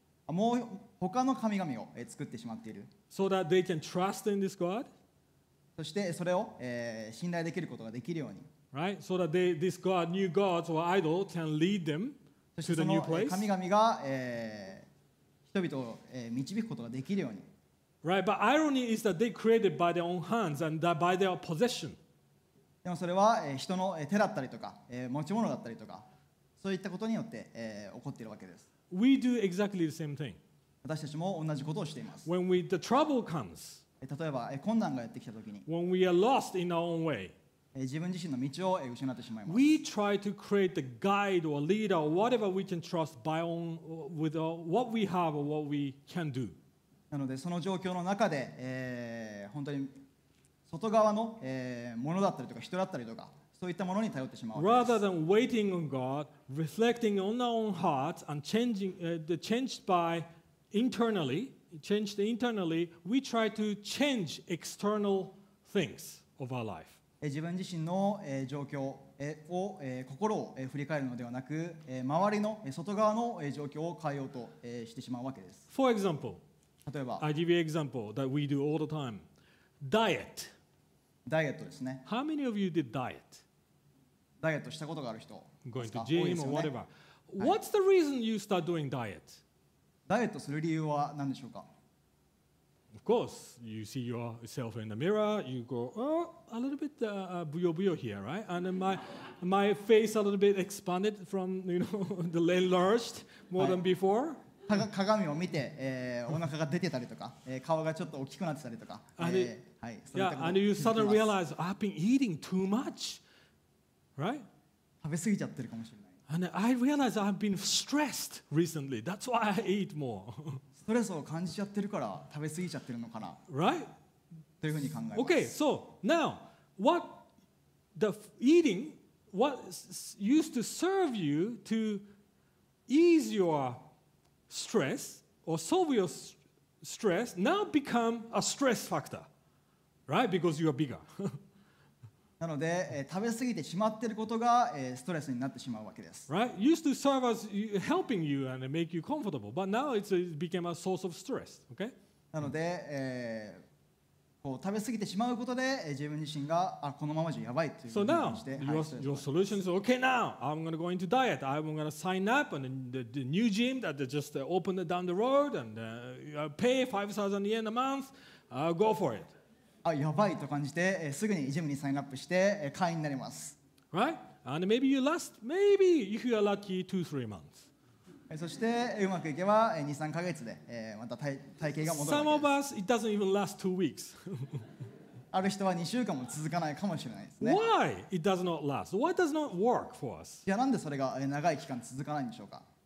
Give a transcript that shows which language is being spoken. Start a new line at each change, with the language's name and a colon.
Japanese: もう他の神々を作ってしまっている。
English: So that they can trust in this God.
Japanese: そしてそれを、信頼できることができるように。
English: Right? So that this God, new gods or idol can lead them to the new place.
Japanese: そしてその神々が、人々を、導くことができるように。
English: Right? But irony is that they created by their own hands and that by their possession.
Japanese: でもそれは、人の手だったりとか、持ち物だったりとか、そういったことによって、起こっているわけです。
English: We do exactly the same thing.
Japanese: 私たちも同じことをしています。
English: When the trouble comes,
Japanese: 例えば困難がやってきたときに、
English: when we are lost in our own way,
Japanese: 自分自身の道を失ってしまいます。
English: We try to create the guide or leader or whatever we can trust by own with what we have or what we can do.
Japanese: なのでその状況の中で、本当に外側の、ものだったりとか人だったりとか。そういったものに頼ってしまう。
English: Rather than waiting on God, reflecting on our own hearts and changing, changed internally, we try to change external things of our life.
Japanese: 自分自身の状況を心を振り返るのではなく、周りの外側の状況を変えようとしてしまうわけです。
English: For example,
Japanese: 例えば、
English: I give you an example that we do all the time. Diet.
Japanese: ダイエットですね。
English: How many of you did diet?
Japanese: ダイエットしたことがある人ですか?
English: Going to gym or whatever. What's the reason you start doing diet?
Japanese: ダイエットする理由は何でしょうか?
English: Of course, you see yourself in the mirror. You go, oh, a little bit
Japanese: buyo buyo
English: here, right? And then my face a little bit expanded from, you know, the enlarged more than before.
Japanese: 鏡を見て、お腹が出てたりとか、顔がちょっと大きくなってたりとか。
English: And you suddenly realize, I've been eating too much. Right?
Japanese: 食べ過ぎちゃってるかもしれない。
English: And I realize I've been stressed recently. That's why I eat more.
Japanese: ストレスを感じちゃってるから食べ過ぎちゃってるのかな。
English: Right?
Japanese: というふうに考えます。
English: Okay, so now what the eating what used to serve you to ease your stress or solve your stress now become a stress factor, right? Because you are bigger.
Japanese: なので、食べ過ぎてしまっていることが、ストレスになってしまうわけです。
English: Right? Used to serve as helping you and make you comfortable, but now it became a source of stress. Okay?
Japanese: なので、こう食べ過ぎてしまうことで、自分自身が、あ、このままじゃやばいというふうにして、
English: So now, your solution is, okay, now, I'm going to go into diet. I'm going to sign up and the new gym that just opened down the road and pay 5,000 yen a month. Go for it.
Japanese: あ、やばいと感じて、すぐにジムにサインアップして、会員になります。
English: Right? And maybe you last, maybe if you are lucky, 2-3 months.
Japanese: そして、うまくいけば、2、3ヶ月で、また体型が戻るわけです。
English: Some of us, it doesn't even last 2 weeks.
Japanese: ある人は2週間も続かないかもしれないですね。
English: Why it does not last? Why does not work for us?
Japanese: いや、なんでそれが長い期間続かないんでしょうか?